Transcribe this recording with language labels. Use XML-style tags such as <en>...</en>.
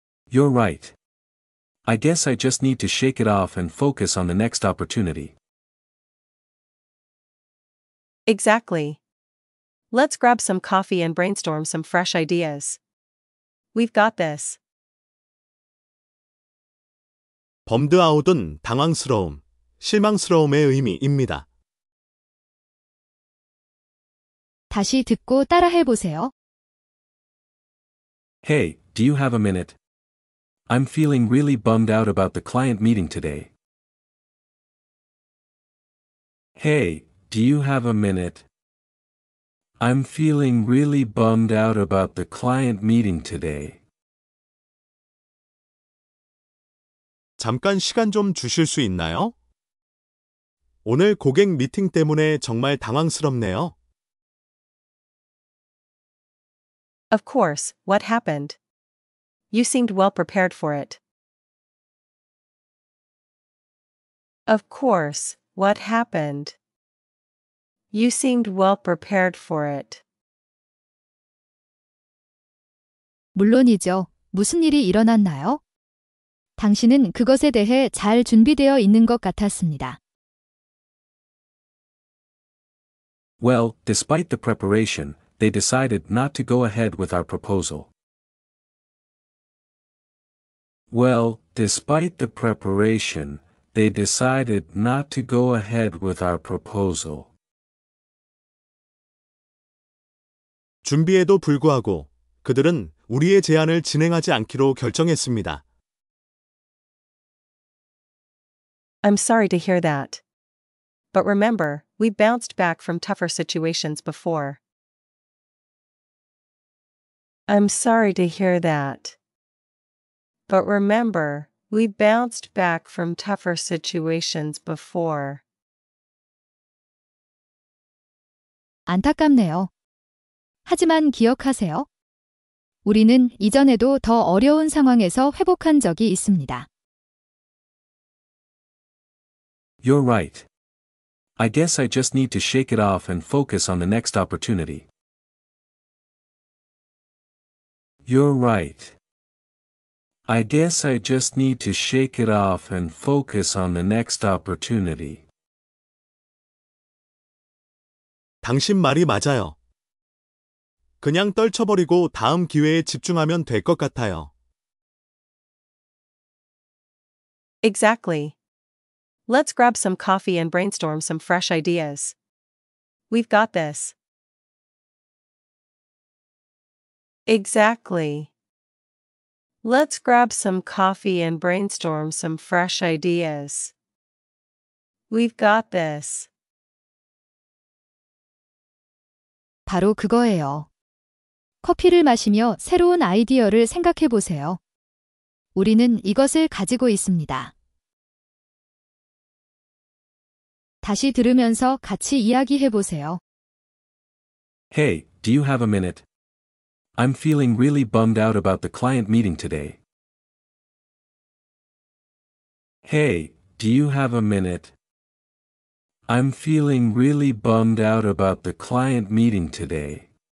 <en>You're right. I guess I just need to shake it off and focus on the next opportunity. Exactly. Let's grab some coffee and brainstorm some fresh ideas. We've got this.</en> <ko>범드 아웃은 당황스러움, 실망스러움의 의미입니다. 다시 듣고 따라해 보세요.</ko> <en>Hey, do you have a minute? I'm feeling really bummed out about the client meeting today. Hey, do you have a minute? I'm feeling really bummed out about the client meeting today.</en> <ko>잠깐 시간 좀 주실 수 있나요? 오늘 고객 미팅 때문에 정말 당황스럽네요.</ko> <en>Of course, what happened? You seemed well prepared for it. Of course, what happened? You seemed well prepared for it.</en> <ko>물론이죠. 무슨 일이 일어났나요? 당신은 그것에 대해 잘 준비되어 있는 것 같았습니다.</ko> <en>Well, despite the preparation, they decided not to go ahead with our proposal. Well, despite the preparation, they decided not to go ahead with our proposal.</en> <ko>준비에도 불구하고 그들은 우리의 제안을 진행하지 않기로 결정했습니다.</ko> <en>I'm sorry to hear that. But remember, we bounced back from tougher situations before. I'm sorry to hear that. But remember, we bounced back from tougher situations before.</en> <ko>안타깝네요. 하지만 기억하세요. 우리는 이전에도 더 어려운 상황에서 회복한 적이 있습니다.</ko> <en>You're right. I guess I just need to shake it off and focus on the next opportunity. You're right. I guess I just need to shake it off and focus on the next opportunity.</en> <ko>당신 말이 맞아요. 그냥 떨쳐버리고 다음 기회에 집중하면 될 것 같아요.</ko> <en>Exactly. Let's grab some coffee and brainstorm some fresh ideas. We've got this. Exactly. Let's grab some coffee and brainstorm some fresh ideas. We've got this.</en> <ko>바로 그거예요. 커피를 마시며 새로운 아이디어를 생각해 보세요. 우리는 이것을 가지고 있습니다. 다시 들으면서 같이 이야기해 보세요.</ko> <en>Hey, do you have a minute? I'm feeling really bummed out about the client meeting today. Hey, do you have a minute? I'm feeling really bummed out about the client meeting today.</en>